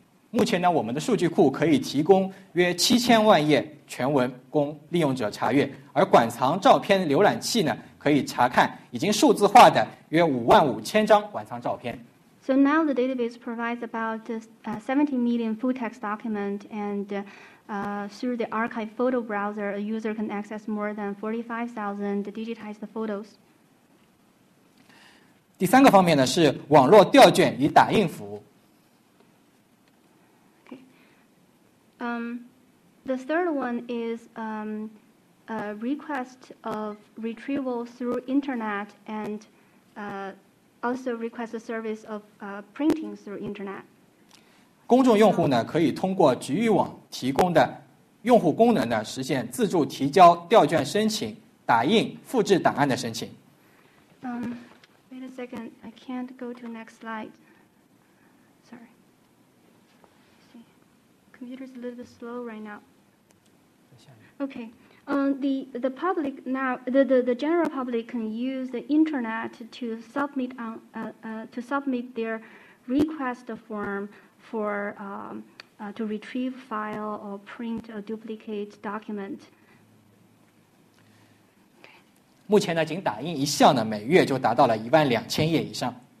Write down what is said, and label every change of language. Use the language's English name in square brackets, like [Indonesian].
[Chinese] 目前呢，我们的数据库可以提供约7000万页全文供利用者查阅，而馆藏照片浏览器呢，可以查看已经数字化的约55,000张馆藏照片。 [English] So now the database provides about 70 million full text documents, and through the archive photo browser, a user can access more than 45,000 digitized photos. [Chinese] 第三个方面呢，是网络调卷与打印服务。 [English] The third one is a request of retrieval through internet and also request the service of printing through internet. [Chinese] 公众用户呢，可以通过局域网提供的用户功能呢，实现自助提交调卷申请、打印、复制档案的申请。 [English] Wait a second, I can't go to next slide. Sorry. Computer's a little bit slow right now. Okay. The public now, the general public can use the internet to submit on to submit their request form for to retrieve file or print a duplicate document. [Chinese] 目前呢，仅打印一项呢，每月就达到了12000页以上。